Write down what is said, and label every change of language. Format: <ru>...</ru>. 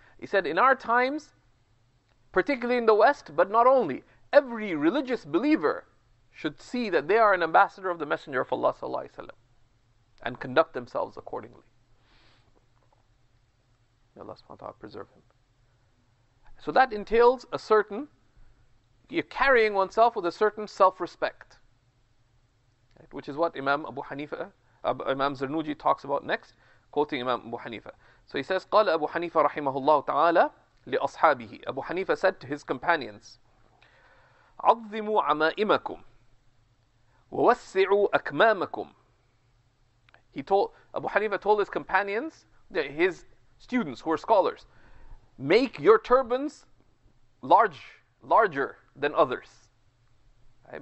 <en>He said, in our times, particularly in the West, but not only, every religious believer should see that they are an ambassador of the Messenger of Allah Sallallahu Alaihi Wasallam and conduct themselves accordingly. May Allah Subhanahu wa Ta'ala preserve him. So that entails a certain, you're carrying oneself with a certain self-respect, right? Which is what Imam Abu Hanifa, Imam Zarnuji talks about next, quoting Imam Abu Hanifa. So he says,</en> <ar>قَالَ أَبُو حَنِيفَ رَحِمَهُ اللَّهُ تَعَالَى لِأَصْحَابِهِ.</ar> <en>Abu Hanifa said to his companions,</en> <ar>عَظِّمُوا عَمَائِمَكُمْ وَوَسِّعُوا أَكْمَامَكُمْ.</ar> <en>Abu Hanifa told his companions, his students who were scholars, make your turbans larger than others. Right?</en>